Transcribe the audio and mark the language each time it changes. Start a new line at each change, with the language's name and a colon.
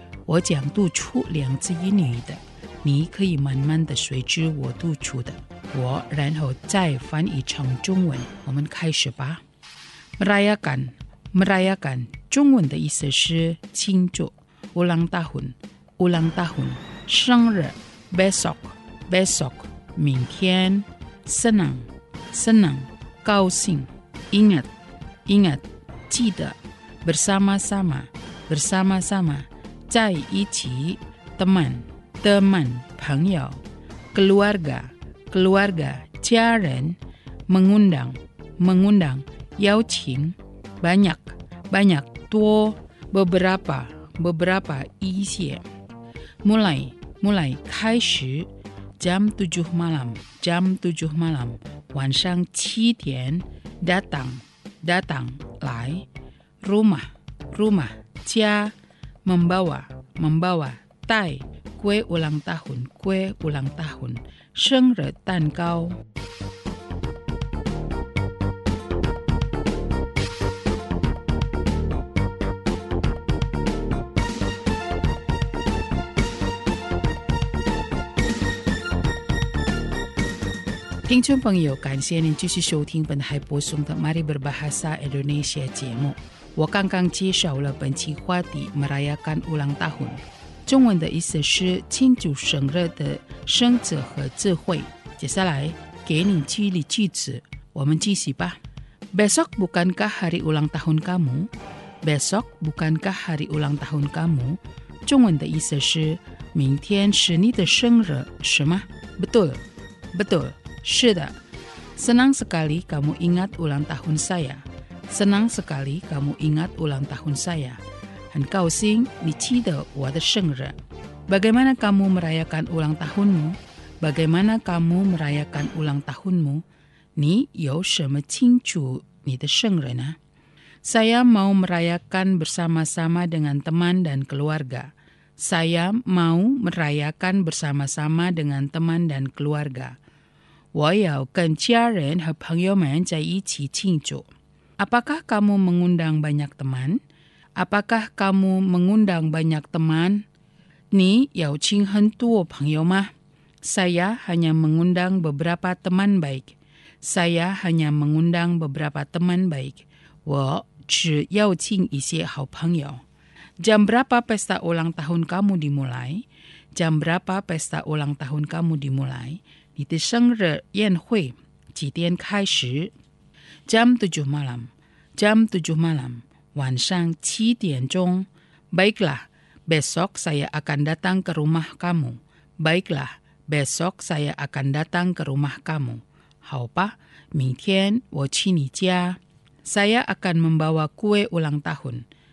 Chinese: 我讲读出两字英语的，你可以慢慢的随之我读出的，我然后再翻译成中文。我们开始吧。 Merayakan， Merayakan， 中文的意思是庆祝。
Indonesian: Ulang tahun， Ulang tahun， 生日。 Besok， Besok， 明天。 Senang， Senang， 高兴。 Ingat。 Ingat， 记得。Bersama-sama， Bersama-sama， 在一起。 Teman， Teman， 朋友。 Keluarga， Keluarga， 家人。 Mengundang， Mengundang， 邀请。Banyak， Banyak， 多。 Beberapa， Beberapa， 一些。 Mulai， Mulai， 开始。 Jam 7 malam， Jam 7 malam， 晚上七点。 Datang，Datang， 来。Rumah， Rumah， 家。 Membawa， Membawa， 带。 Kue ulang tahun， Kue ulang tahun， 生日蛋糕。
Chinese: 听众朋友，感谢您继续收听本台播送的 Mari Berbahasa Indonesia 节目。我刚刚介绍了本期话题 Merayakan Ulang Tahun， 中文的意思是庆祝生日的生字和智慧。接下来给你记忆句子，我们继续吧。
Indonesian: Besok bukankah hari ulang tahun kamu？ Besok bukankah hari ulang tahun kamu？
Chinese: 中文的意思是明天是你的生日是吗？
Indonesian: Betul， Betul，是的。 Senang sekali kamu ingat ulang tahun saya。 Senang sekali kamu ingat ulang tahun saya。
Chinese: 很高兴你记得我的生日。
Indonesian: Bagaimana kamu merayakan ulang tahunmu？ Bagaimana kamu merayakan ulang tahunmu？
Chinese: 你有什么庆祝你的生日呢？
Indonesian: Saya mau merayakan bersama-sama dengan teman dan keluarga。 Saya mau merayakan bersama-sama dengan teman dan keluarga。
Chinese: 我要跟家人和朋友们在一起庆祝。
Indonesian: Apakah kamu mengundang banyak teman? Apakah kamu mengundang banyak teman?
Chinese: 你邀请很多朋友吗？
Indonesian: Saya hanya mengundang beberapa teman baik. Saya hanya mengundang beberapa teman baik.
Chinese: 我只邀请一些好朋友。
Indonesian: Jam berapa pesta ulang tahun kamu dimulai? Jam berapa pesta ulang tahun kamu dimulai?
Chinese: 你的生日宴会几点开始？
Indonesian: Jam 7 malam， Jam 7 malam， 晚上七点钟。 Baiklah， Besok saya akan datang ke rumah kamu。 Baiklah， Besok saya akan datang ke rumah kamu。
Chinese: 好吧，明天我去你家。
Indonesian: Saya akan membawa kue ulang tahun。